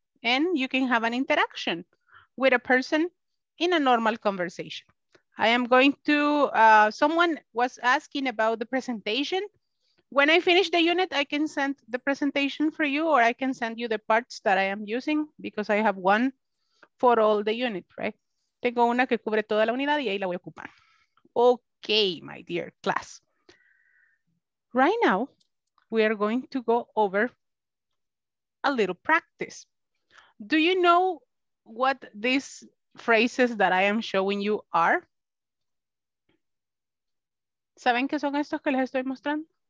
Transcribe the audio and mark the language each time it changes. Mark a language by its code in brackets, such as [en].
[en] And you can have an interaction with a person in a normal conversation. I am going to, someone was asking about the presentation. When I finish the unit, I can send the presentation for you, or I can send you the parts that I am using, because I have one for all the unit, right? [es] Tengo una que cubre toda la unidad y ahí la voy a ocupar. [en] Okay, my dear class. Right now, we are going to go over a little practice. Do you know what these phrases that I am showing you are? [es] ¿Saben qué son estos que les estoy mostrando?